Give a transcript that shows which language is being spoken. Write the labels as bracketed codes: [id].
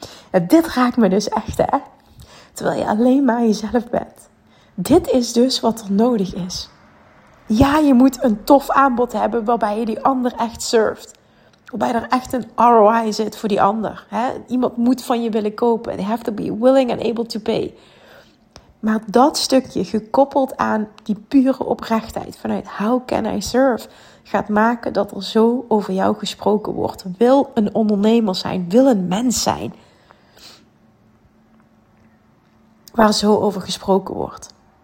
[nl] En dit raakt me dus echt, hè. Terwijl je alleen maar jezelf bent. Dit is dus wat er nodig is. Ja, je moet een tof aanbod hebben waarbij je die ander echt surft. Waarbij er echt een ROI zit voor die ander. Hè? Iemand moet van je willen kopen. [en] They have to be willing and able to pay. [nl] Maar dat stukje, gekoppeld aan die pure oprechtheid vanuit [en] how can I serve, [nl] gaat maken dat er zo over jou gesproken wordt. Wil een ondernemer zijn, wil een mens zijn, waar zo over gesproken wordt.